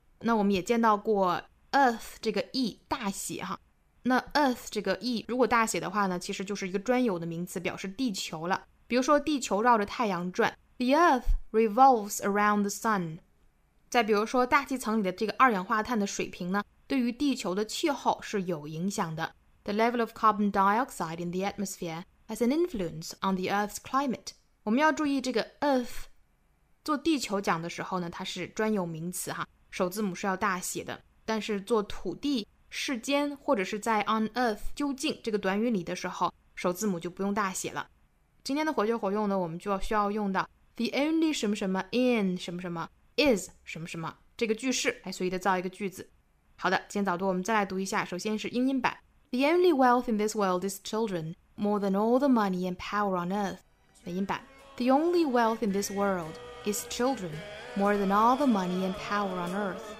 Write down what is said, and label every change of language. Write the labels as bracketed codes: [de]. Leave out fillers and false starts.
[zh] 那我们也见到过 earth 这个 e 大写哈，那 earth 这个 e 如果大写的话呢，其实就是一个专有的名词，表示地球了。比如说地球绕着太阳转， [en] The earth revolves around the sun. [zh] 再比如说大气层里的这个二氧化碳的水平呢，对于地球的气候是有影响的。 [en] The level of carbon dioxide in the atmosphere has an influence on the Earth's climate. [zh] 我们要注意这个 Earth 做地球讲的时候呢，它是专有名词哈，首字母是要大写的，但是做土地、世间或者是在 on Earth 究竟这个短语里的时候，首字母就不用大写了。今天的活学活用呢，我们就要需要用到 the only 什么什么 in 什么什么is 什么什么这个句式来随意的造一个句子。好的，今天早读我们再来读一下，首先是英音版。 [en] The only wealth in this world is children, more than all the money and power on earth. [zh] 美音版。 [en] The only wealth in this world is children, more than all the money and power on earth.